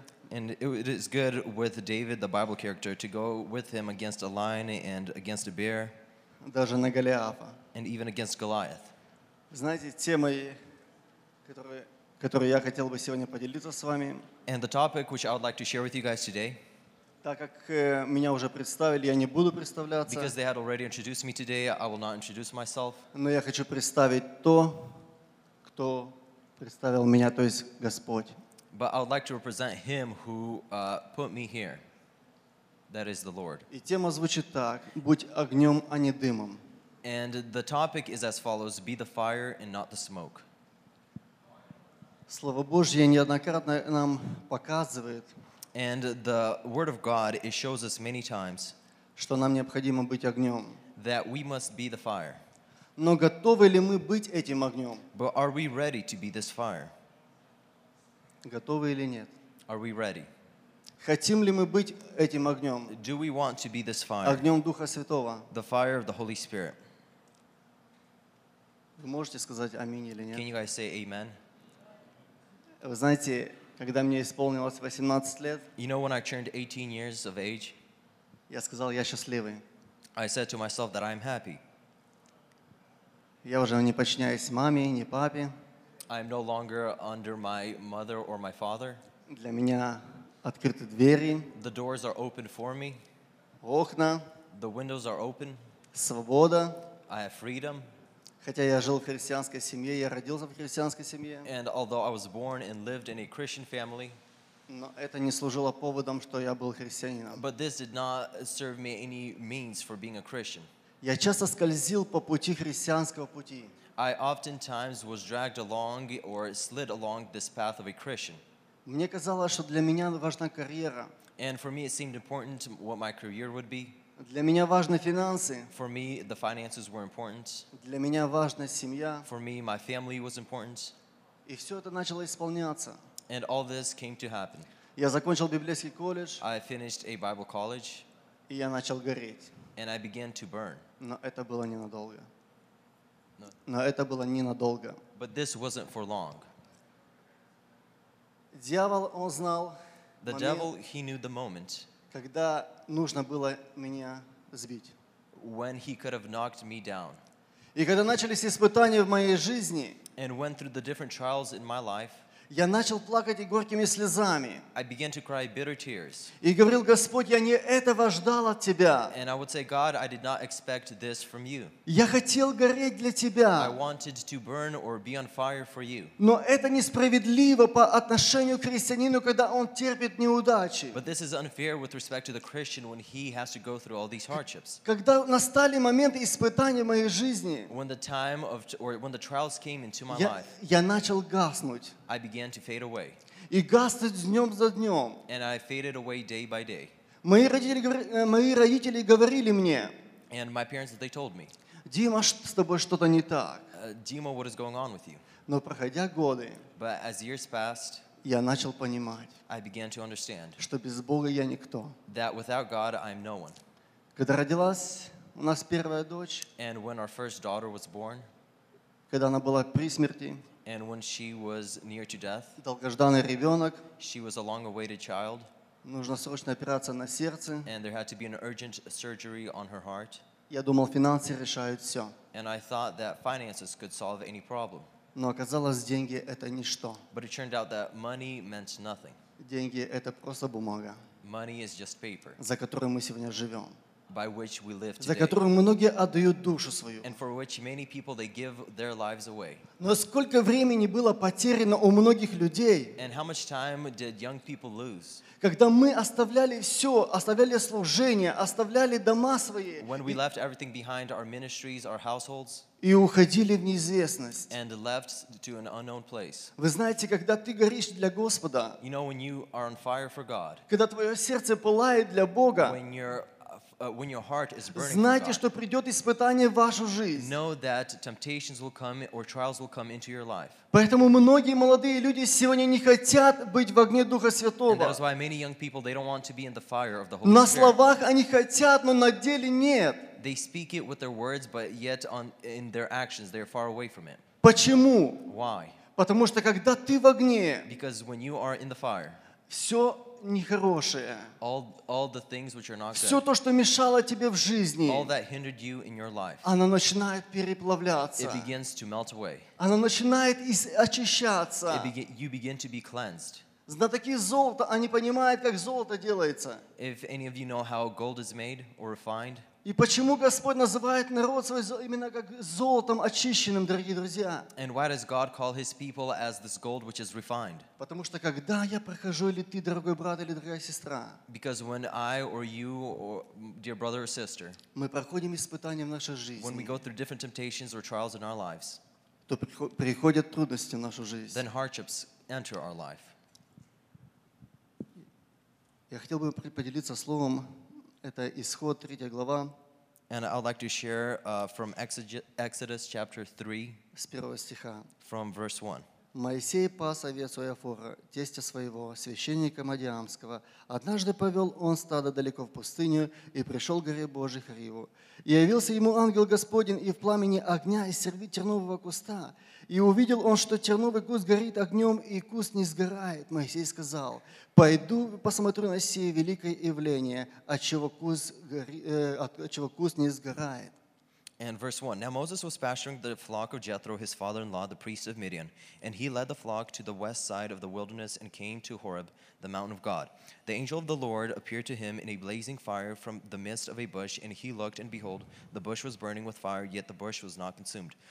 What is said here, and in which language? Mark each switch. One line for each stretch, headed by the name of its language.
English: And it is good with David, the Bible character, to go with him against a lion and against a bear.
Russian: Даже на Голиафа.
English: And even against Goliath.
Russian: Знаете, темой, которую я хотел бы сегодня поделиться с вами.
English: And the topic which I would like to share with you guys today.
Russian: Так как меня уже представили, я не буду представляться.
English: Because they had already introduced me today, I will not introduce myself.
Russian: Но я хочу представить то, кто представил меня, то есть Господь.
English: But I would like to represent him who put me here. That is the Lord.
Russian: И тема звучит так: будь огнем, а не дымом.
English: And the topic is as follows: be the fire and not the smoke.
Russian: Слово Божье неоднократно нам показывает.
English: And the word of God, it shows us many times,
Russian: что нам необходимо быть огнем.
English: That we must be the fire.
Russian: Но готовы ли мы быть этим огнем?
English: But are we ready to be this fire?
Russian: Готовы или нет?
English: Are we ready?
Russian: Хотим ли мы быть этим огнем?
English: Do we want to be this fire?
Russian: Огнем Духа Святого.
English: The fire of the Holy Spirit.
Russian: Вы можете сказать аминь или нет?
English: Can you guys say amen?
Russian: Вы знаете, когда мне исполнилось 18 лет,
English: you know, when I turned 18 years of age,
Russian: я сказал, я счастливый.
English: I said to myself that I am happy.
Russian: Я уже не подчиняюсь маме, не папе.
English: I am no longer under my mother or my father.
Russian: Для меня открыты двери.
English: The doors are open for me.
Russian: Окна.
English: The windows are open.
Russian: Свобода.
English: I have freedom.
Russian: Хотя я жил в христианской семье, я родился в христианской семье.
English: And although I was born and lived in a Christian family,
Russian: но это не служило поводом, что я был христианином.
English: But this did not serve me any means for being a Christian.
Russian: Я часто скользил по пути христианского пути.
English: I oftentimes was dragged along or slid along this path of a Christian.
Russian: Мне казалось, что для меня важна карьера.
English: And for me it seemed important what my career would be.
Russian: Для меня важны финансы.
English: For me, the finances were important.
Russian: Для меня важна семья.
English: For me, my family was important.
Russian: И все это начало исполняться.
English: And all this came to happen.
Russian: Я закончил библейский колледж.
English: I finished a Bible college.
Russian: И я начал гореть.
English: And I began to burn.
Russian: Но это было ненадолго. Но это было ненадолго.
English: But this wasn't for long.
Russian: Дьявол, он знал
English: the
Russian: момент,
English: devil, he knew the moment,
Russian: когда нужно было меня сбить.
English: When he could have knocked me down.
Russian: И когда начались испытания в моей жизни,
English: and went through the different trials in my life,
Russian: я начал плакать горькими слезами.
English: I began to cry bitter tears.
Russian: И говорил, Господь, я не этого ждал от Тебя.
English: And I would say, God, I did not expect this from You.
Russian: Я хотел гореть для Тебя.
English: I wanted to burn or be on fire for You.
Russian: Но это несправедливо по отношению к христианину, когда он терпит неудачи.
English: But this is unfair with respect to the Christian when he has to go through all these hardships.
Russian: Когда настали моменты испытаний в моей жизни,
English: when the time of or when the trials came into my life,
Russian: я начал гаснуть.
English: I began to fade away.
Russian: И гаснуть днем за днем.
English: And I faded away day by day.
Russian: Мои родители говорили мне.
English: And my parents, they told me.
Russian: Дима, с тобой что-то не так.
English: Dima, what is going on with you?
Russian: Но проходя годы.
English: But as years passed.
Russian: Я начал понимать.
English: I began to understand.
Russian: Что без Бога я никто.
English: That without God, I'm no one.
Russian: Когда родилась у нас первая дочь.
English: And when our first daughter was born.
Russian: Когда она была при смерти.
English: And when she was near to death,
Russian: долгожданный ребенок,
English: she was a long-awaited child,
Russian: нужно срочно операция на сердце,
English: and there had to be an urgent surgery on her heart.
Russian: Я думал, финансы решают все.
English: And I thought that finances could solve any problem.
Russian: Но оказалось, деньги это ничто.
English: But it turned out that money meant nothing.
Russian: Деньги это просто бумага.
English: Money is just paper.
Russian: За которую мы сегодня живем.
English: By which we live today.
Russian: За которую многие отдают душу свою.
English: And for which many people they give their lives away.
Russian: Но сколько времени было потеряно у многих людей?
English: And how much time did young people lose?
Russian: Когда мы оставляли все, оставляли служение, оставляли дома свои.
English: When we left everything behind, our ministries, our households.
Russian: И уходили в неизвестность.
English: And left to an unknown place.
Russian: Вы знаете, когда ты горишь для Господа?
English: You know when you are on fire for God.
Russian: Когда твое сердце пылает для Бога?
English: When you're when your heart is burning,
Russian: знаете,
English: for God,
Russian: что придет испытание в вашу жизнь.
English: Know that temptations will come or trials will come into your life.
Russian: Поэтому многие молодые люди сегодня не хотят быть в огне Духа Святого.
English: And that is why many young people they don't want to be in the fire of the Holy Spirit.
Russian: На словах они хотят, но на деле нет.
English: They speak it with their words, but yet on in their actions they are far away from it.
Russian: Почему?
English: Why?
Russian: Потому что когда ты в огне.
English: Because when you are in the fire.
Russian: Все нехорошее.
English: All the things which are not good.
Russian: Все то, что мешало тебе в жизни.
English: All that hindered you in your life.
Russian: Оно начинает переплавляться.
English: It begins to melt away.
Russian: Оно начинает очищаться.
English: You begin to be cleansed.
Russian: Знатоки золота, они понимают, как золото делается.
English: If any of you know how gold is made or refined.
Russian: И почему Господь называет народ свой именно как золотом очищенным, дорогие друзья?
English: And why does God call His people as this gold which is refined?
Russian: Потому что когда я прохожу или ты, дорогой брат или дорогая сестра?
English: Because when I or you or dear brother or sister.
Russian: Мы проходим испытания в нашей жизни.
English: When we go through different temptations or trials in our lives.
Russian: То приходят трудности в нашу жизнь.
English: Then hardships enter our life.
Russian: Я хотел бы поделиться словом. Это исход, третья глава.
English: And I'd like to share from Exodus chapter 3.
Russian: С первого стиха.
English: From verse 1.
Russian: Моисей пас овец у Иофора, тестя своего, священника Мадиамского. Однажды повел он стадо далеко в пустыню и пришел к горе Божьей Хариву. И явился ему ангел Господень и в пламени огня из серви тернового куста. И увидел он, что терновый куст горит огнем, и куст не сгорает. Моисей сказал, пойду посмотрю на сие великое явление, отчего куст не сгорает.
English: And verse 1. Now Moses was pasturing the flock of Jethro, his father-in-law, the priest of Midian. And he led the flock to the west side of the wilderness and came to Horeb, the mountain of God. The angel of the Lord appeared to him in a blazing fire from the midst of a bush. And he looked, and behold, the bush was burning with fire, yet the bush was not consumed.